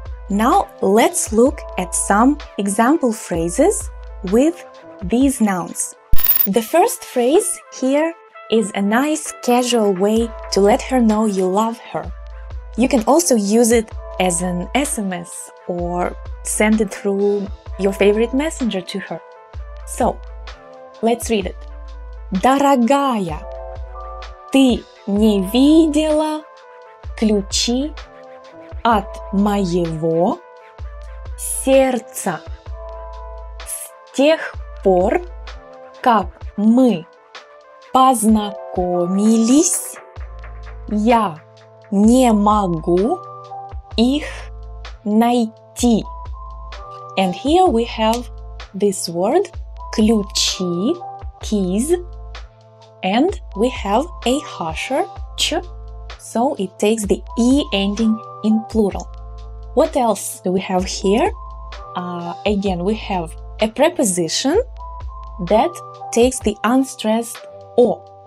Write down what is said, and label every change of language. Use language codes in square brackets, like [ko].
[en] Now let's look at some example phrases with these nouns. The first phrase here is a nice casual way to let her know you love her. You can also use it as an SMS or send it through your favorite messenger to her. So, let's read it. [ru] Дорогая, ты не видела ключи от моего сердца с тех пор, как мы познакомились, я не могу их найти. [en] And here we have this word, ключи, keys, and we have a harsher ч, so it takes the e ending in plural. What else do we have here? Again, we have a preposition that takes the unstressed о.